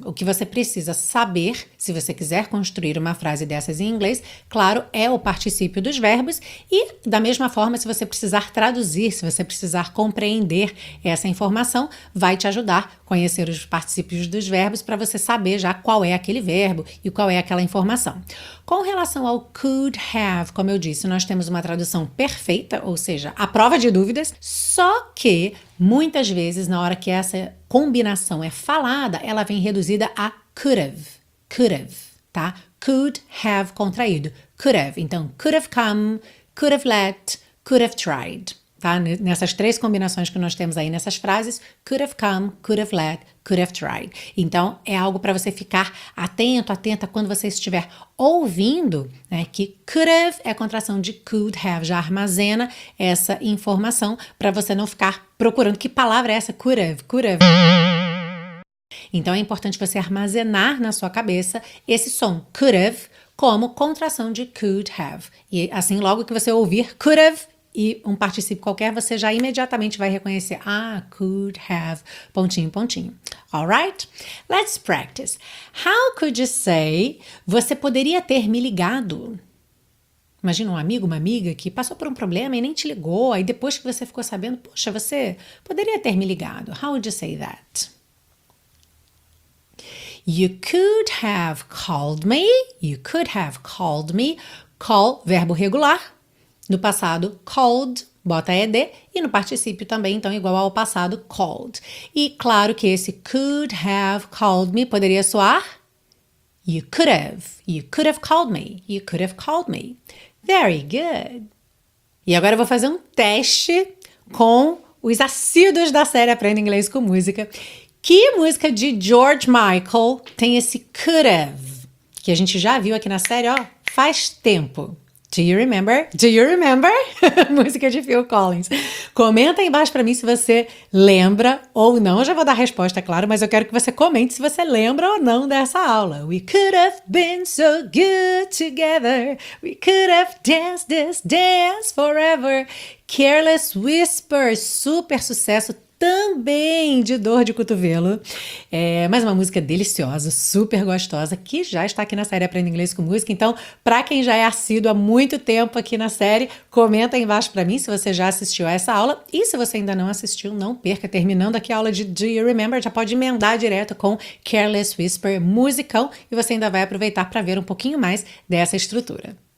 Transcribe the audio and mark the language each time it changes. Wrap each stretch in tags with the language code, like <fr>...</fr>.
<pt>O que você precisa saber, se você quiser construir uma frase dessas em inglês, claro, é o particípio dos verbos e, da mesma forma, se você precisar traduzir, se você precisar compreender essa informação, vai te ajudar a conhecer os particípios dos verbos para você saber já qual é aquele verbo e qual é aquela informação. Com relação ao could have, como eu disse, nós temos uma tradução perfeita, ou seja, a prova de dúvidas, só que muitas vezes na hora que essa combinação é falada, ela vem reduzida a could have, tá? Could have contraído, could have, então could have come, could have let, could have tried, tá? Nessas três combinações que nós temos aí nessas frases, could have come, could have let, could have tried. Então, é algo para você ficar atento, atenta quando você estiver ouvindo, né, que could have é a contração de could have, já armazena essa informação para você não ficar procurando que palavra é essa, could have, could have. Então, é importante você armazenar na sua cabeça esse som, could have, como contração de could have. E assim, logo que você ouvir could have, e um particípio qualquer, você já imediatamente vai reconhecer. Ah, could have, pontinho, pontinho.</pt> <en>All right? Let's practice. How could you say,</en> <pt>você poderia ter me ligado? Imagina um amigo, uma amiga que passou por um problema e nem te ligou. Aí depois que você ficou sabendo, poxa, você poderia ter me ligado.</pt> <en>How would you say that? You could have called me. You could have called me.</en> <pt>Call, verbo regular. No passado, called, bota ed. E no particípio também, então, igual ao passado, called. E claro que esse could have called me poderia soar.</pt> <en>You could have. You could have called me. You could have called me. Very good.</en> <pt>E agora eu vou fazer um teste com os assíduos da série Aprenda Inglês com Música. Que música de George Michael tem esse could have? Que a gente já viu aqui na série, ó, faz tempo.</pt> <en>Do you remember? Do you remember?</en> <pt>Música de Phil Collins. Comenta aí embaixo pra mim se você lembra ou não. Eu já vou dar a resposta, claro, mas eu quero que você comente se você lembra ou não dessa aula.</pt> <en>We could have been so good together. We could have danced this dance forever.</en> <pt>Careless Whisper, super sucesso. Também de Dor de Cotovelo, é, mas uma música deliciosa, super gostosa, que já está aqui na série Aprenda Inglês com Música. Então, para quem já é assíduo há muito tempo aqui na série, comenta aí embaixo para mim se você já assistiu a essa aula. E se você ainda não assistiu, não perca, terminando aqui a aula de Do You Remember, já pode emendar direto com Careless Whisper, musicão, e você ainda vai aproveitar para ver um pouquinho mais dessa estrutura.</pt>